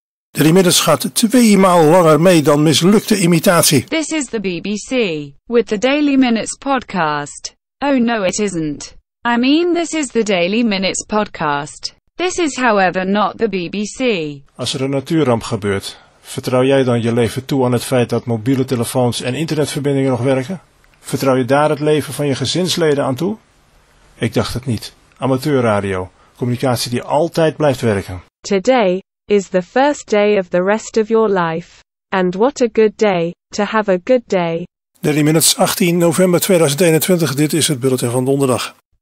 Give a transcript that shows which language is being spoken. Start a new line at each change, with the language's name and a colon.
Dutch: Drie minutes gaat twee maal langer mee dan mislukte imitatie.
English: This is the BBC, with the Daily Minutes podcast. Oh no, it isn't. I mean, this is the Daily Minutes podcast. This is however not the BBC.
Dutch: Als er een natuurramp gebeurt, vertrouw jij dan je leven toe aan het feit dat mobiele telefoons en internetverbindingen nog werken? Vertrouw je daar het leven van je gezinsleden aan toe? Ik dacht het niet. Amateurradio, communicatie die altijd blijft werken.
English: Today is the first day of the rest of your life. And what a good day, to have a good day.
Dutch: 30 minutes, 18 november 2021, dit is het bulletin van donderdag.